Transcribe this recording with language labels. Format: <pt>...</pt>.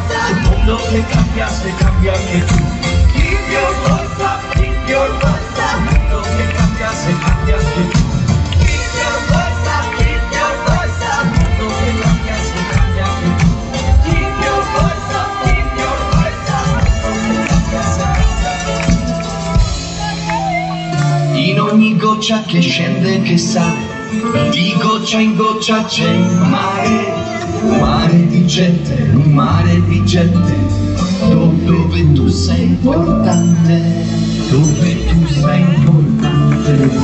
<it>Il mondo che cambia se cambia anche tu.</it> <en>Keep your voice up, keep your voice up.</en> <it>Il mondo che cambia se cambia anche tu.</it> <en>Keep your voice up, keep your voice up.</en> <it>Il mondo che cambia se cambia anche tu.</it> <en>Keep your voice up, keep your voice up.</en> <it>Il mondo che cambia se cambia anche tu. In ogni goccia che scende e che sale, di goccia in goccia c'è il mare. Un mare di gente, un mare di gente, dove tu sei importante, dove tu sei importante.</it>